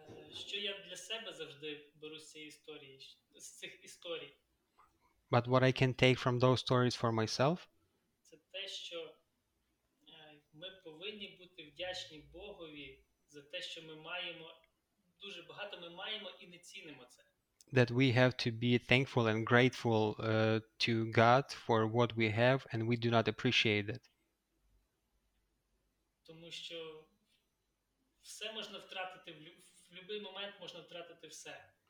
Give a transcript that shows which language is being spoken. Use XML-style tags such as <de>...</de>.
<uk>Що я для себе завжди беру з цих історій,</uk> <en>But what I can take from those stories for myself?</en> <uk>це те, що ми повинні бути вдячні Богові за те, що ми маємо, дуже багато ми маємо і не цінимо це.</uk> <en>That we have to be thankful and grateful to God for what we have, and we do not appreciate it.</en> <uk>Тому що все можна втратити, в будь-який момент можна втратити все.</uk>